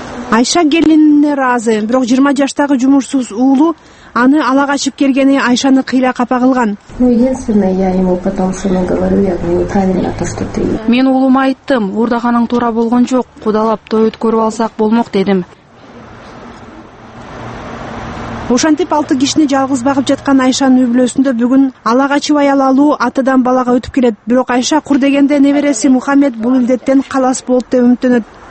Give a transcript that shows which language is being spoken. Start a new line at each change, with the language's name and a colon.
Kyrgyz: Айша келинине ыраазы, бирок 20 жаштагы жумушсуз уулу аны ала качып келгени Айшаны кыйла капа кылган.
Russian: Единственное, я ему потом сыну говорю, я говорю, неправильно то, что ты.
Kyrgyz: Мен уулума айттым, уурдаганың туура болгон жок, кудалап той өткөрүп алсак болмок дедим. Ошентип 6 кишини жалгыз багып жаткан Айшанын үй бүлөсүндө бүгүн ала качып аял алуу атадан балага өтүп келет. Бирок Айша кур дегенде небереси Мухаммед бул илдеттен калас болот деп үмүттөнөт.